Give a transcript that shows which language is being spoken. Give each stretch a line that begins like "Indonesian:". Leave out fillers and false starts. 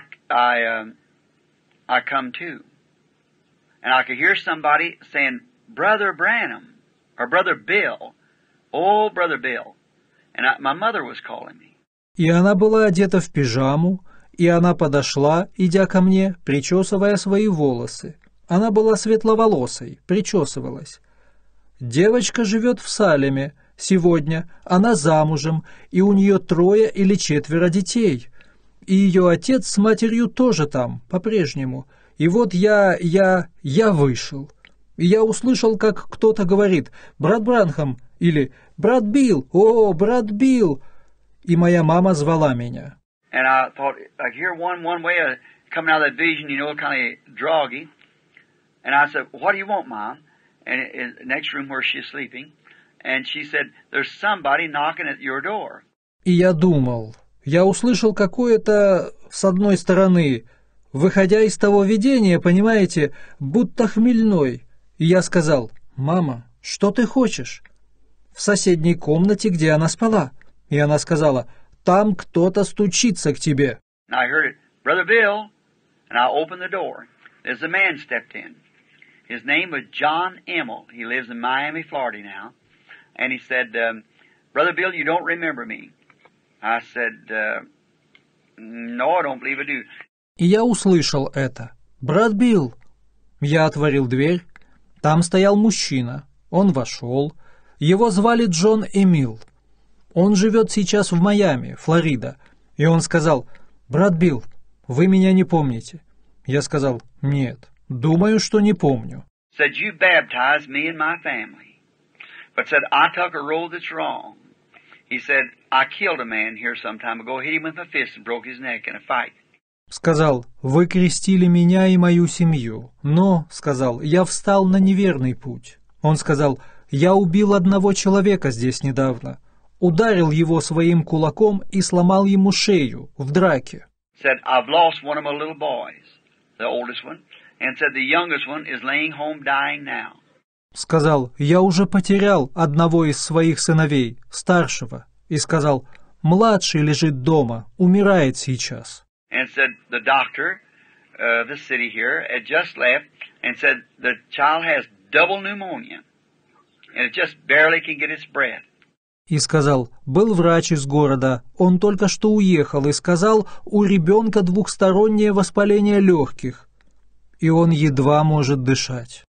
English: And I come too. And I could hear somebody saying, Brother Branham, or Brother Bill, oh, Brother Bill. And my mother was calling me.
Russian: И она была одета в пижаму, и она подошла, идя ко мне, причесывая свои волосы. Она была светловолосой, причесывалась. Девочка живет в Салеме. Сегодня она замужем, и у нее трое или четверо детей. И ее отец с матерью тоже там, по-прежнему. И вот я вышел. И я услышал, как кто-то говорит «Брат Бранхам» или «Брат Билл! О, брат Билл!» И моя мама звала меня.
English: And I thought, I hear one way of coming out of that vision, you know, kind of droggy. And I said, "What do you want, Mom?" And in the next room where she's sleeping, and she said, "There's somebody knocking at your door."
Russian: И я думал, я услышал какое-то с одной стороны, выходя из того видения, понимаете, будто хмельной. И я сказал: "Мама, что ты хочешь?" В соседней комнате, где она спала. И она сказала: "Там кто-то стучится к тебе."
English: And I heard it, "Brother Bill," and I opened the door. There's a man stepped in. His name was John Emil. He lives in Miami, Florida now. And he said, "Brother Bill, you don't remember me." I said, "No, I don't believe I do."
Russian: И я услышал это. "Брат Билл." Я отворил дверь. Там стоял мужчина. Он вошел. Его звали Джон Эмил. Он живет сейчас в Майами, Флорида. И он сказал: "Брат Билл, вы меня не помните?" Я сказал: "Нет, думаю, что не помню."
English: Said you baptized me and my family, but said I took a role that's wrong. He said I killed a man here some time ago, hit him with my fist and broke his neck in a fight.
Russian: Сказал: "Вы крестили меня и мою семью, но, сказал, я встал на неверный путь." Он сказал: "Я убил одного человека здесь недавно, ударил его своим кулаком и сломал ему шею в драке."
English: Said I've lost one of my little boys, the oldest one, and said the youngest one is laying home dying now.
Russian: Сказал: "Я уже потерял одного из своих сыновей, старшего." И сказал: "Младший лежит дома, умирает сейчас."
English: And said the doctor, the city here, had just left and said the child has double pneumonia and it just barely can get its breath.
Russian: И сказал: "Был врач из города, он только что уехал и сказал, у ребенка двухстороннее воспаление легких, и он едва может дышать."